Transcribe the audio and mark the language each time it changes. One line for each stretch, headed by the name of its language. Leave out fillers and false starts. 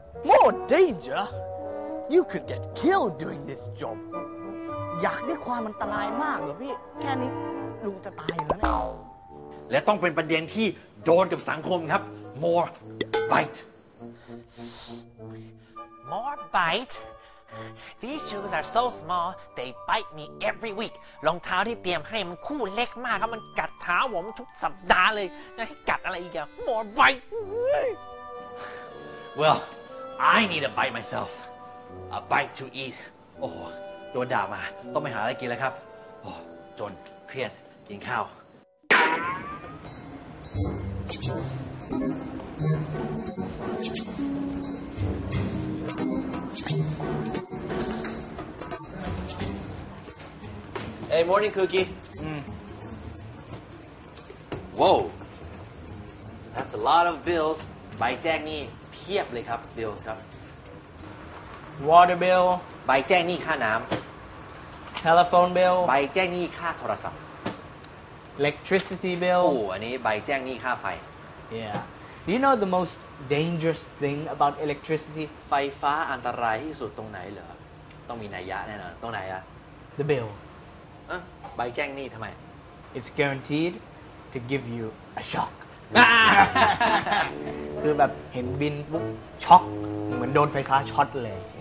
English: More danger? You could get killed doing this job.
Thai: อยากได้ความอันตรายมากเหรอพี่แค่นี้ลุงจะตายแล้วเนี่ยและต้องเป็นประเด็นที่โดนกับสังคมครับ
English: More bite. More bite? These shoes are so small, they bite me every week.
Thai: รองเท้าที่เตรียมให้มันคู่เล็กมากครับมันกัดเท้าผมทุกสัปดาห์เลยนะกัดอะไรอีกอะ
English: More bite. Well. I need a bite myself. A bite to eat.
Thai: โอ้โหโดนด่ามาต้องไปหาอะไรกินแล้วครับโอ้จนเครียดกินข้าว
English: เอ้ย morning cookie. Whoa. That's a lot of bills.
Thai: ใบแจ้งนี่เทียบเลยครับ bills ครับ
English: water bill
Thai: ใบแจ้งหนี้ค่าน้ำ
English: telephone bill
Thai: ใบแจ้งหนี้ค่าโทรศัพท์
English: electricity bill
Thai: โอ้อันนี้ใบแจ้งหนี้ค่าไฟ
English: yeah do you know the most dangerous thing about electricity
Thai: ไฟฟ้าอันตรายที่สุดตรงไหนเหรอต้องมีนัยยะแน่นอนตรงไหนอะ
English: the bill
Thai: ใบแจ้งหนี้ทำไม
English: it's guaranteed to give you a shock
Thai: คือแบบเห็นบินปุ๊บช็อกเหมือนโดนไฟฟ้าช็อตเลย